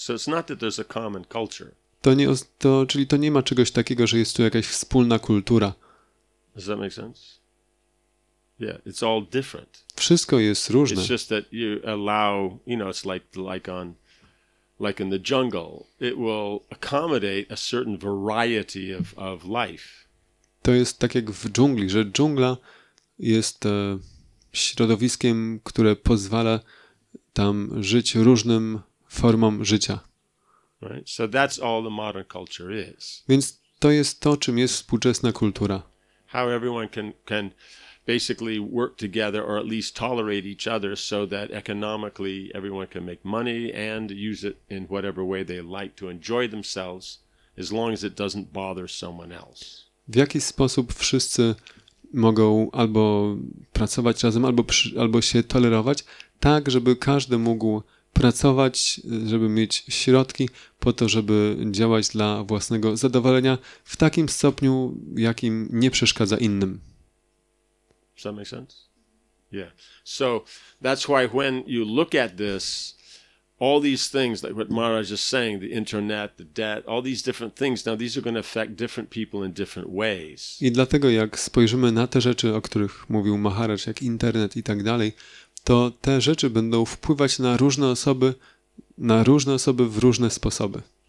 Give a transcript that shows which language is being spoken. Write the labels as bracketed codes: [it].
[en] So it's not that there's a common culture. [pl] To nie ma czegoś takiego, że jest tu jakaś wspólna kultura. [en] Does that make sense? Yeah, it's all different. [pl] Wszystko jest różne. [en] It's just that you allow, you know, it's like in the jungle, it will accommodate a certain variety of life. [pl] To jest tak jak w dżungli, że dżungla jest środowiskiem, które pozwala tam żyć różnym formom życia. [en] Right? So that's all the modern culture is. [pl] Więc to jest to, czym jest współczesna kultura. [en] How everyone can basically work together or at least tolerate each other so that economically everyone can make money and use it in whatever way they like to enjoy themselves as long as it doesn't bother someone else. [pl] W jaki sposób wszyscy mogą albo pracować razem, albo się tolerować, tak, żeby każdy mógł pracować, żeby mieć środki po to, żeby działać dla własnego zadowolenia w takim stopniu, jakim nie przeszkadza innym. [en] Does that make sense? Yeah. So that's why when you look at this, all these things, like what Maharaj is saying, the internet, the debt, all these different things, now these are going to affect different people in different ways. [pl] I dlatego jak spojrzymy na te rzeczy, o których mówił Maharaj, jak internet i tak dalej, to te rzeczy będą wpływać na różne osoby w różne sposoby.